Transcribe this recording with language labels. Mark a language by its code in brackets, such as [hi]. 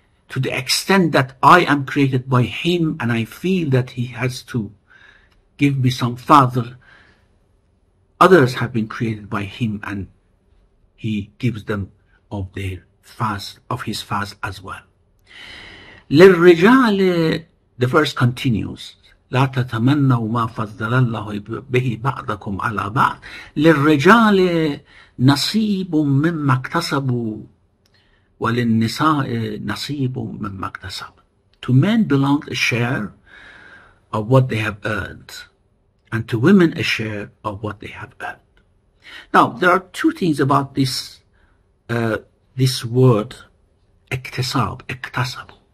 [en] To the extent that I am created by Him and I feel that He has to give me some fadl, others have been created by him, and he gives them of their fast, of his fast as well. [ar] لِلْرِجَالِ, [en] the verse continues, [ar] لَا تَتَمَنَّوا مَا فَضَّلَ اللَّهُ بِهِ بَعْضَكُمْ عَلَى بَعْضٍ لِلْرِجَالِ نَصِيبٌ مِمَّا اكْتَسَبُوا وَلِلنِّسَاءِ نَصِيبٌ مِمَّا اكْتَسَبُوا. [en] To men belongs a share of what they have earned, and to women a share of what they have earned. Now, there are two things about this this word, اكْتَسَاب, اكْتَسَبُ.